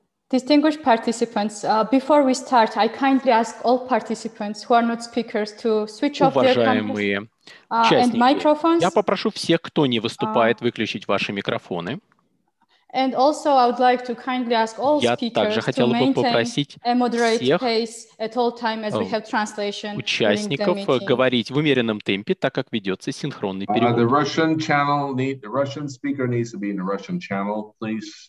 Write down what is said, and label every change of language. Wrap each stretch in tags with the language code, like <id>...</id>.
<en>Distinguished participants, before we start, I kindly ask all participants who are not speakers to switch off their cameras and microphones.</en> <ru>Я попрошу всех, кто не выступает, выключить ваши микрофоны.</ru> <en>And also, I would like to kindly ask all speakers to maintain a moderate pace at all times as we have translation during the meeting.</en> <ru>Участников говорить в умеренном темпе, так как ведется синхронный перевод.</ru> <en>The Russian speaker needs to be in the Russian channel, please.</en>